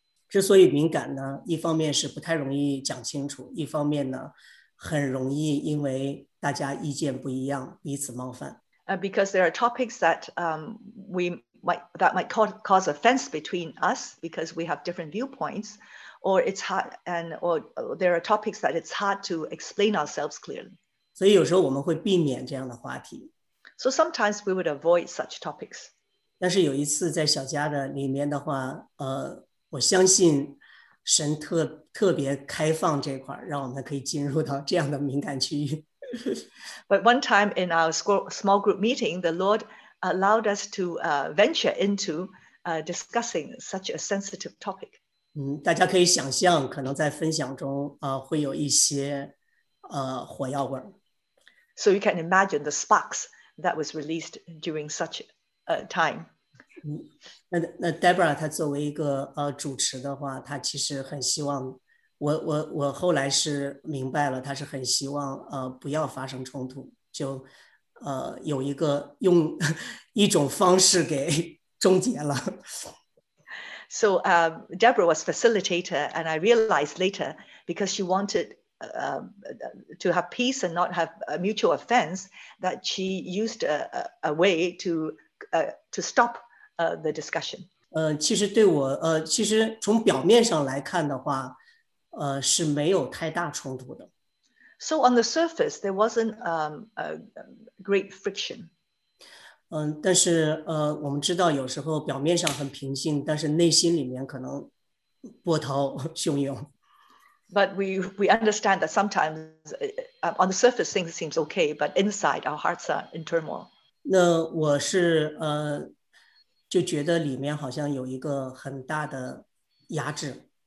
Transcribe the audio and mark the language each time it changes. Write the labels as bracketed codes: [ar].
[zh] 之所以敏感呢，一方面是不太容易讲清楚，一方面呢，很容易因为大家意见不一样，彼此冒犯。 [en] Because there are topics that might cause offense between us because we have different viewpoints, or it's hard and or there are topics that it's hard to explain ourselves clearly. [zh] 所以有时候我们会避免这样的话题。 [en] So sometimes we would avoid such topics. [zh] 但是有一次在小家的里面的话，我相信神特别开放这块，让我们可以进入到这样的敏感区域。 [en] But one time in our small group meeting, the Lord allowed us to venture into discussing such a sensitive topic. [zh] 大家可以想象，可能在分享中会有一些火药味。 [en] So you can imagine the sparks that was released during such a time. [zh] 那 Deborah 她作为一个主持的话，她其实很希望，我后来是明白了，她是很希望不要发生冲突，就有一个用一种方式给终结了。 [en] So Deborah was facilitator, and I realized later because she wanted to have peace and not have a mutual offense, that she used a way to stop. The discussion. [zh] 其实对我其实从表面上来看的话，是没有太大冲突的。 [en] So on the surface, there wasn't a great friction. [zh] 但是我们知道有时候表面上很平静，但是内心里面可能波涛汹涌。 [en] But we understand that sometimes on the surface things seems okay, but inside our hearts are in turmoil. [zh] 那我是就觉得里面好像有一个很大的压制。